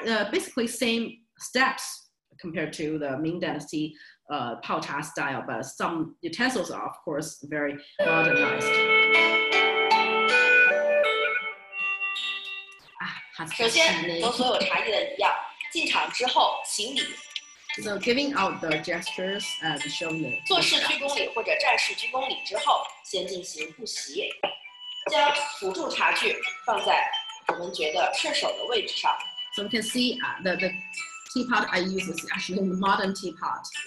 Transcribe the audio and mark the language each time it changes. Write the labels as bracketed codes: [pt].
[en] Basically same steps compared to the Ming Dynasty Pao-Cha style, but some utensils are of course very modernized. [zh] 首先，和所有茶叶的一样，进场之后行礼。 [en] So giving out the gestures and showing the [zh] 做事鞠躬礼或者战士鞠躬礼之后，先进行步席，将辅助茶具放在我们觉得顺手的位置上。So [en] we can see the teapot I use is actually the modern teapot.